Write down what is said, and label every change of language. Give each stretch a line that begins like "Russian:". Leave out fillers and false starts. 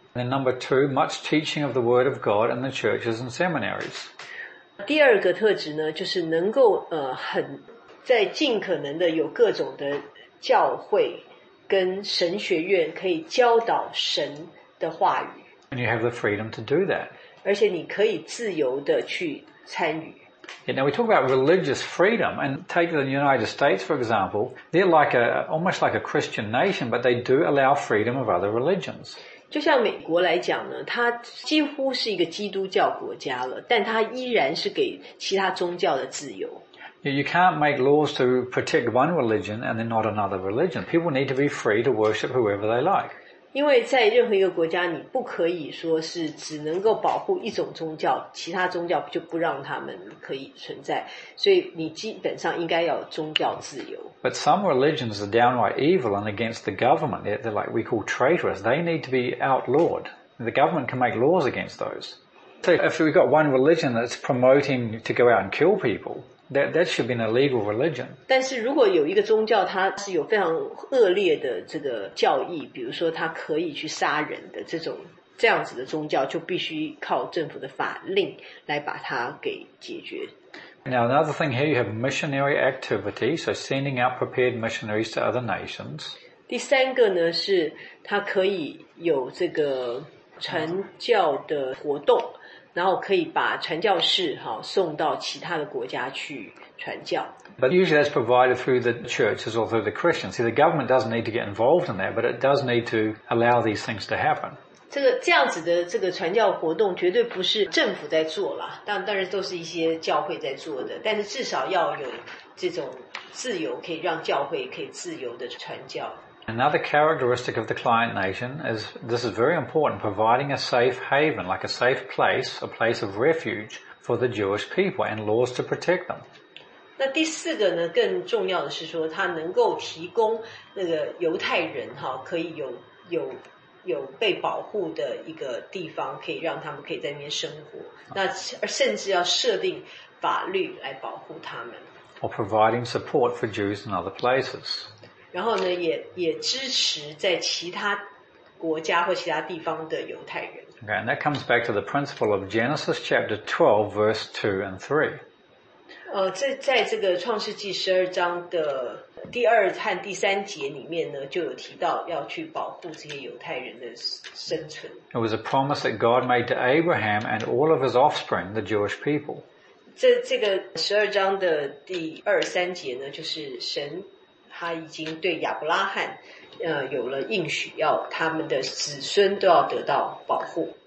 English: And then number two, much teaching of the word of God in the churches and seminaries.
Chinese: 第二个特质呢，就是能够很在尽可能的有各种的教会跟神学院可以教导神的话语。
English: And you have the freedom to do that.
Chinese: 而且你可以自由的去参与。
English: Yeah, now we talk about religious freedom, and take the United States for example. They're like almost like a Christian nation, but they do allow freedom of other religions.
Chinese: 就像美国来讲呢，它几乎是一个基督教国家了，但它依然是给其他宗教的自由。
English: You can't make laws to protect one religion and then not another religion. People need to be free to worship whoever they like.
Chinese: 因为在任何一个国家你不可以说是只能够保护一种宗教，其他宗教就不让他们可以存在，所以你基本上应该要有宗教自由。
English: But some religions are downright evil and against the government. They're like we call traitorous. They need to be outlawed. The government can make laws against those. So if we've got one religion that's promoting to go out and kill peopleThat should be an illegal religion.
Chinese: 但是如果有一个宗教它是有非常恶劣的这个教义，比如说它可以去杀人的这种这样子的宗教，就必须靠政府的法令来把它给解决。
English: Now another thing here, you have missionary activity, so sending out prepared missionaries to other nations.
Chinese: 第三个呢是它可以有这个传教的活动。然后可以把传教士送到其他的国家去传教。
English: But usually that's provided through the churches or through the Christians. See, the government doesn't need to get involved in that, but it does need to allow these things to happen.
Chinese: 这样子的这个传教活动绝对不是政府在做啦，当然都是一些教会在做的，但是至少要有这种自由，可以让教会可以自由的传教。
English: Another characteristic of the client nation is, this is very important, providing a safe haven, like a safe place, a place of refuge for the Jewish people and laws to protect them.
Chinese: 那第四个呢，更重要的是说，它能够提供那个犹太人可以有被保护的一个地方，可以让他们可以在那边生活。那甚至要设定法律来保护他们。
English: Or providing support for Jews in other places.
Chinese: 然后呢也支持在其他国家或其他地方的犹太人。
English: Okay, and that comes back to the principle of Genesis chapter 12, verse 2 and 3.
Chinese: 在这个创世纪十二章的第二和第三节里面呢，就有提到要去保护这些犹太人的生存。
English: It was a promise that God made to Abraham and all of his offspring, the Jewish people.
Chinese: 这个十二章的第二三节呢，就是神他已经对亚伯拉罕有了应许，要他们的子孙都要得到保护。